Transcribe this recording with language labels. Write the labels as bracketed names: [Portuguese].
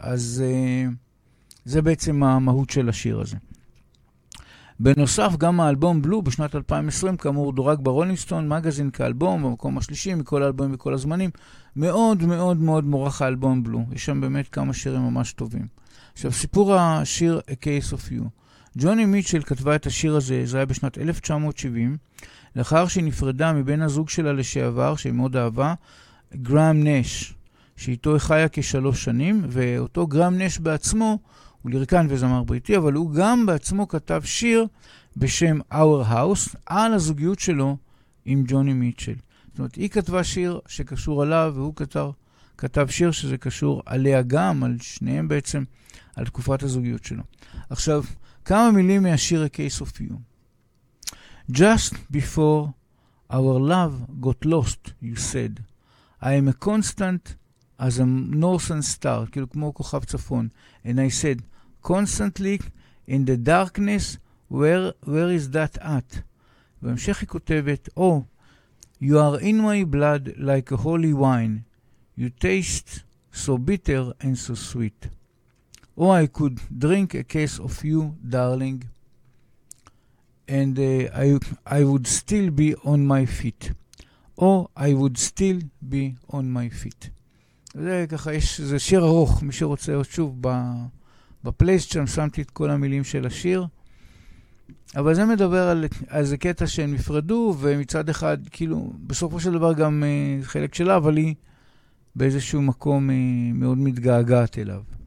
[Hebrew] אז זה בעצם המהות של השיר הזה. בנוסף, גם האלבום בלו בשנת 2020, כאמור, דורג ברולינג סטון מגזין כאלבום במקום השלישי מכל האלבומים בכל הזמנים. מאוד מאוד מאוד מורך האלבום בלו. יש שם באמת כמה שירים ממש טובים. עכשיו, סיפור השיר A Case of You. ג'וני מיטשל כתבה את השיר הזה, זה היה בשנת 1970, לאחר שהיא נפרדה מבין הזוג שלה לשעבר, שהיא מאוד אהבה, גרם נש, שאיתו חיה כשלוש שנים, ואותו גרם נש בעצמו, הוא לרקן וזמר בריטי, אבל הוא גם בעצמו כתב שיר בשם Our House על הזוגיות שלו עם ג'וני מיטשל. זאת אומרת, היא כתבה שיר שקשור עליו, והוא כתב שיר שזה קשור עליה גם, על שניהם בעצם, על תקופת הזוגיות שלו. עכשיו, כמה מילים מהשיר A Case of You. [English] Just before our love got lost, you said, I am a constant as a northern star, [Hebrew] כאילו כמו כוכב צפון, [English] and I said, constantly In the darkness, where is that at? [Hebrew] והמשך היא כותבת, [English] Oh, you are in my blood like a holy wine. You taste so bitter and so sweet. Oh, I could drink a case of you, darling. And I would still be on my feet. Oh, I would still be on my feet. [Hebrew] זה ככה, יש, זה שיר ארוך, מי שרוצה עוד שוב בפלייסט שם, שמתי את כל המילים של השיר. אבל זה מדבר על איזה קטע שהן מפרדו, ומצד אחד, כאילו, בסופו של דבר גם חלק שלה, אבל היא באיזשהו מקום מאוד מתגעגעת אליו.